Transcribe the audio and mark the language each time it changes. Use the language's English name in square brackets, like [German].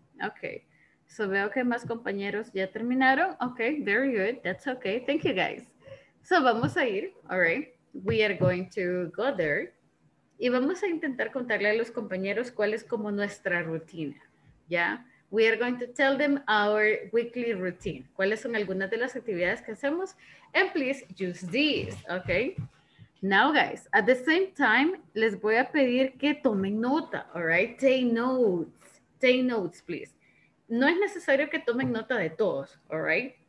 [Spanish] Okay, so veo que más compañeros ya terminaron. [English] Okay, very good, that's okay. Thank you guys. So [Spanish] vamos a ir, [English] all right? We are going to go there. [Spanish] Y vamos a intentar contarle a los compañeros cuál es como nuestra rutina, ¿ya? [English] We are going to tell them our weekly routine. [Spanish] ¿Cuáles son algunas de las actividades que hacemos? [English] And please use these, okay? Now, guys, at the same time, [Spanish] les voy a pedir que tomen nota, [English] all right? Take notes. Take notes, please. [Spanish] No es necesario que tomen nota de todos, all right?